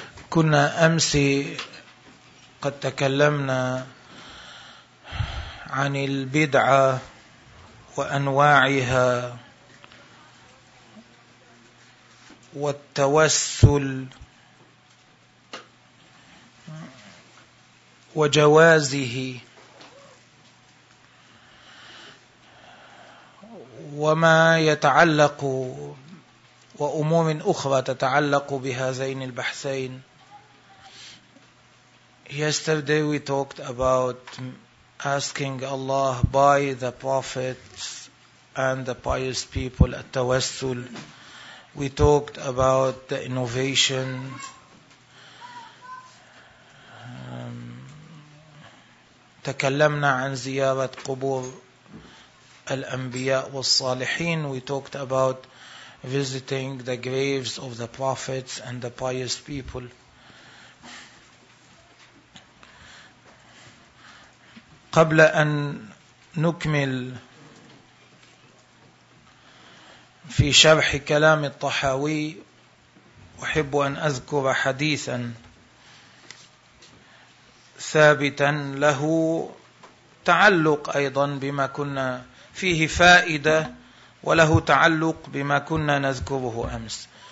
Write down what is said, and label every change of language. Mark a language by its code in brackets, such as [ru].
[ar] كنا أمس قد تكلمنا عن البدعة وأنواعها والتوسل وجوازه، وما يتعلق وأمور أخرى تتعلق بهذين البحثين. [en] Yesterday we talked about asking Allah by the prophets and the pious people at Tawassul. We talked about the innovation. [ar] تكلمنا عن زيارة قبور الأنبياء والصالحين. [en] We talked about visiting the graves of the prophets and the pious people. [ar] قبل أن نكمل في شرح كلام الطحاوي، أحب أن أذكر حديثا ثابتا له تعلق أيضا بما كنا فيه فائدة، وله تعلق بما كنا نذكره أمس.